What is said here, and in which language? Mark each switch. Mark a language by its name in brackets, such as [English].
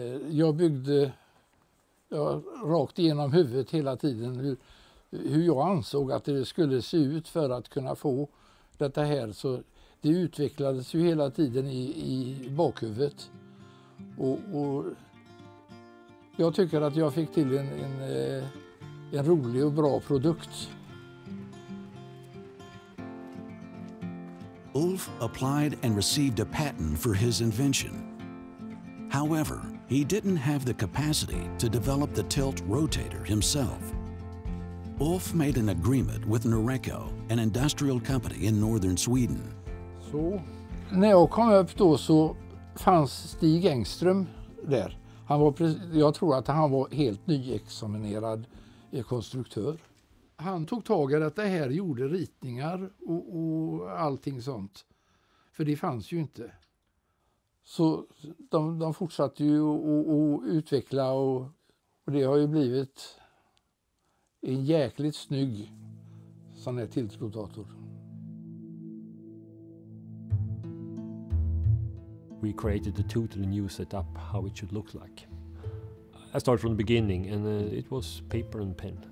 [Swedish] Jag byggde rakt igenom huvudet hela tiden hur jag ansåg att det skulle se ut för att kunna få detta här. Så det utvecklades ju hela tiden i bakhuvudet. Och jag tycker att jag fick till en rolig och bra produkt. [English] Ulf applied and received a patent for his invention. However, he didn't have the capacity to develop the tilt rotator himself. Ulf made an agreement with Noreco, an industrial company in northern Sweden. [Swedish] Så när jag kom upp då så fanns Stig Engström där. Han var jag tror att han var helt nyexaminerad konstruktör. Han tog tag i att det här gjorde ritningar och allting sånt. För det fanns ju inte. Så de fortsatte ju att utveckla och det har ju blivit en jäkligt snygg sån här tiltrotator. [English] We created a totally new setup how it should look like. I started from the beginning and it was paper and pen.